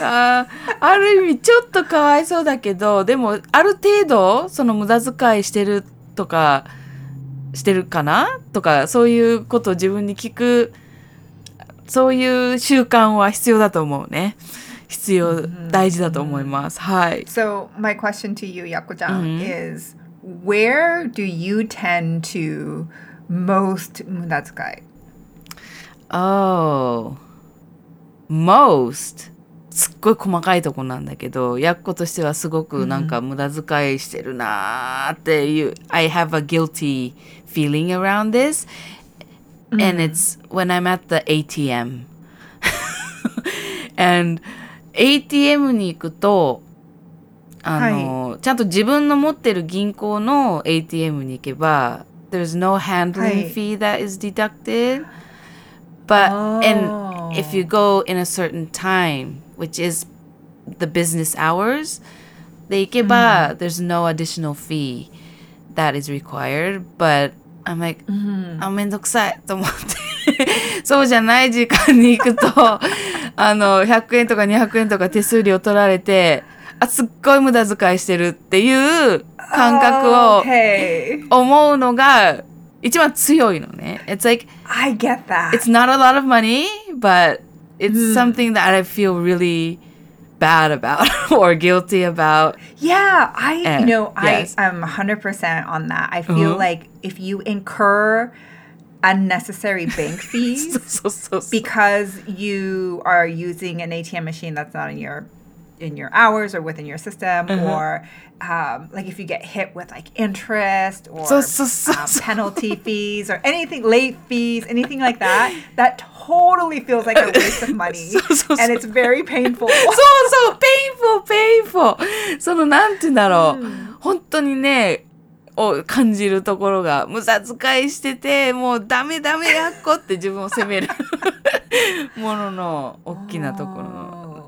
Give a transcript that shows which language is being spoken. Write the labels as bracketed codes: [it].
[ja] ある意味ちょっとかわいそうだけど、でもある程度その無駄遣いしてるとかしてるかなとか、そういうことを自分に聞く、そういう習慣は必要だと思うね。必要、大事だと思います。はい。 [en] So my question to you, Yakko-chan, is where do you tend to most 無駄遣い? Oh, most. [ja] すっごい細かいとこなんだけど、やっことしてはすごくなんか無駄遣いしてるなーっていう。 [en] I have a guilty feeling around this. And it's when I'm at the ATM. And [ja] ATM に行くと、ちゃんと自分の持ってる銀行の ATM に行けば、 [en] there's no handling fee that is deducted. But, and if you go in a certain time, which is the business hours, [ja] で行けば、 [en] there's no additional fee that is required. But I'm like, [ja] あ、めんどくさいと思って。そうじゃない時間に行くと、100円とか200円とか手数料取られて、あ、すっごい無駄遣いしてるっていう感覚を思うのが、一番強いのね。 [en] It's like, I get that. It's not a lot of money, but it's something that I feel really bad about or guilty about. Yeah, I'm 100% on that. I feel like if you incur unnecessary bank fees because you are using an ATM machine that's not in your hours or within your system, or like if you get hit with like interest or penalty fees or anything, late fees, anything like that, that totally feels like a waste of money. And it's very painful. [ja] そうそう、 [en] painful, painful. [ja] そのなんて言うんだろう。本当にね、を感じるところが、無駄遣いしてて、もうダメダメやっこって自分を責めるものの大きなところの。